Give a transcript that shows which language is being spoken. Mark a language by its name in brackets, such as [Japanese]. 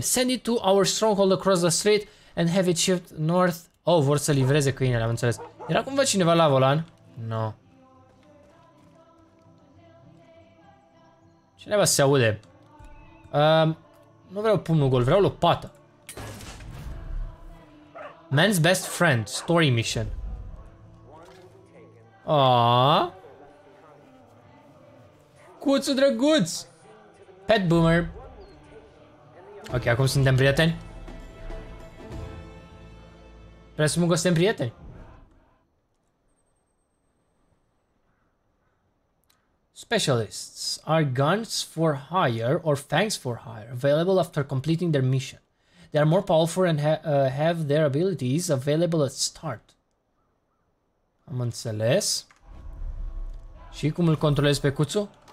[English] Send it to our stronghold across the street and have it shipped north. [Romanian] Oh, vor să livreze câinele, am înțeles. Era cumva cineva la volan? No. Cineva se aude. Nu vreau pumnul gol, vreau lopata. [English] Man's best friend, story mission. Aaaa. [Romanian] Cuțu drăguț. Pet boomer. Ok, acum suntem prieteni? Presupun că suntem prieteni? [English] Specialists, are guns for hire or fangs for hire available after completing their mission? They are more powerful and have their abilities available at start. [Romanian] Am înțeles. Și cum îl controlez pe cuțu?